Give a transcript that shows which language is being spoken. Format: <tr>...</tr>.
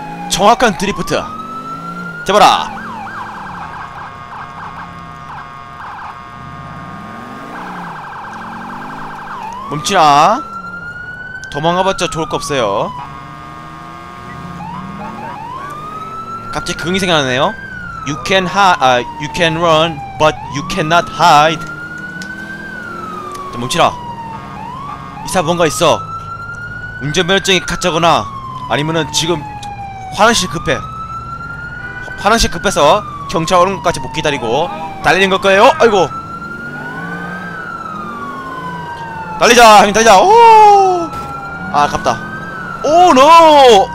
<ko>정확한 드리프트. 잡아라. 멈추라. 도망가봤자 좋을 거 없어요. 갑자기 그림이 생각나네요.</ko> <en>You can hide, you can run, but you cannot hide.</en> <ko>자, 멈추라. 이 사람 뭔가 있어. 운전면허증이 가짜거나 아니면은 지금 화장실 급해. 화장실 급해서 경찰 오는 것까지 못 기다리고 달리는 걸 거예요. 아이고. 달리자, 형님, 달리자. 오! 아, 아깝다. 오, 노!</ko>